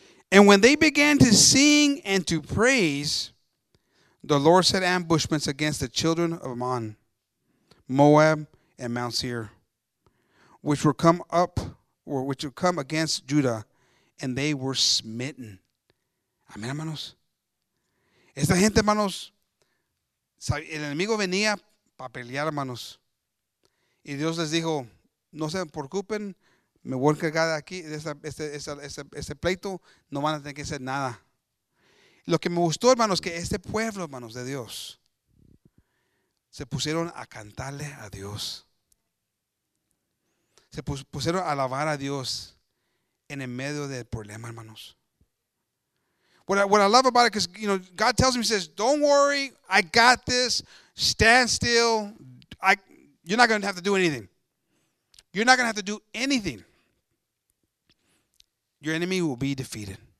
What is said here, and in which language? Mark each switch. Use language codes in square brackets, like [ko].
[en] And when they began to sing and to praise, the Lord set ambushments against the children of Ammon, Moab, and Mount Seir, which were come against Judah, and they were smitten. [es] Amén, hermanos. Esta gente, hermanos, el enemigo venía para pelear, hermanos. Y Dios les dijo, no se preocupen, me voy a encargar de aquí, de este pleito, no van a tener que hacer nada. Lo que me gustó, hermanos, es que este pueblo, hermanos, de Dios, se pusieron a cantarle a Dios. Se pusieron a alabar a Dios en el medio del problema, hermanos. [en] What I love about it, because, you know, God tells me, he says, don't worry, I got this, stand still, you're not going to have to do anything. You're not going to have to do anything. Your enemy will be defeated.